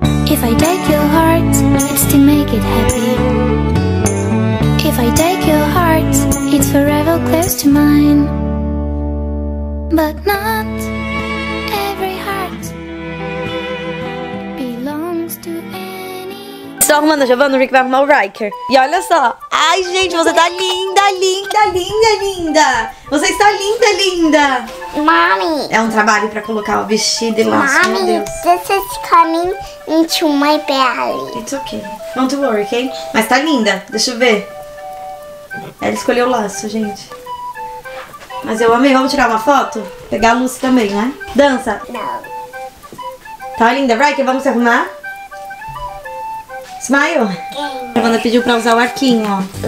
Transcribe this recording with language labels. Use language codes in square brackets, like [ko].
[en] If I take your heart, it's to make it happy. If I take your heart, it's forever close to mine. But not every heart belongs to any. [pt] Só arrumando a Giovanna, o Rick vai arrumar o Riker. E olha só. Ai, gente, você tá linda, linda, linda, linda. Você está linda, linda. Mami. É um trabalho pra colocar o vestido e lá. [en] Mami, this is coming into my belly. It's okay. Don't worry, okay? [pt] Mas tá linda. Deixa eu ver. Ela escolheu o laço, gente. Mas eu amei. Vamos tirar uma foto? Pegar a luz também, né? Dança. Não. Tá linda. Riker, vamos se arrumar? Smile. Quem? A Giovanna pediu pra usar o arquinho, ó.